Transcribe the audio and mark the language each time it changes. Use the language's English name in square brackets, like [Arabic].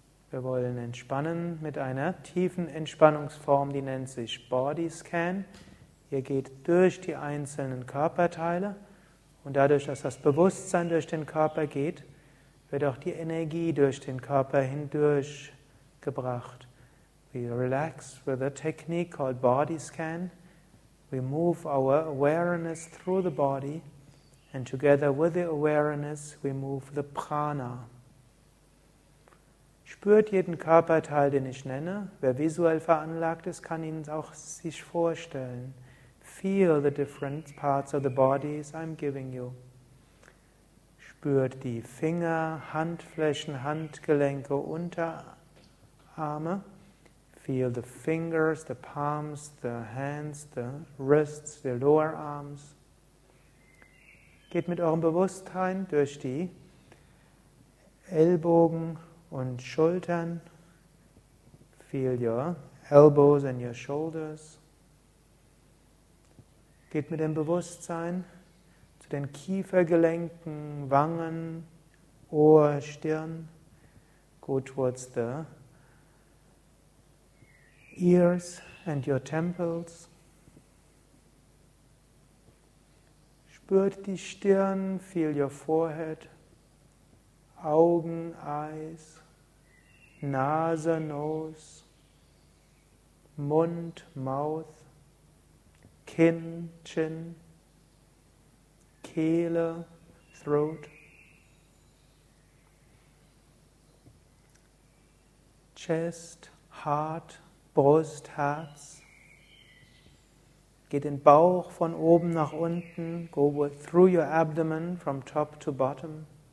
[German] Wir wollen entspannen mit einer tiefen Entspannungsform, die nennt sich Body Scan. Ihr geht durch die einzelnen Körperteile und dadurch, dass das Bewusstsein durch den Körper geht, wird auch die Energie durch den Körper hindurch gebracht. [English] We relax with a technique called Body Scan. We move our awareness through the body and together with the awareness we move the prana. [German] Spürt jeden Körperteil, den ich nenne. Wer visuell veranlagt ist, kann ihn auch sich vorstellen. [English] Feel the different parts of the bodies I'm giving you. [German] Spürt die Finger, Handflächen, Handgelenke, Unterarme. [English] Feel the fingers, the palms, the hands, the wrists, the lower arms. [German] Geht mit eurem Bewusstsein durch die Ellbogen und Schultern. [English] Feel your elbows and your shoulders. [German] Geht mit dem Bewusstsein zu den Kiefergelenken, Wangen, Ohr, Stirn. [English] Go towards the ears and your temples. [German] Spürt die Stirn, [English] feel your forehead, [German] Augen, Eyes, Nase, Nose, Mund, Mouth, Kinn, Chin, Kehle, Throat. [English] Chest, Heart, [German] Brust, Herz. Geht den Bauch von oben nach unten. [English] Go through your abdomen from top to bottom.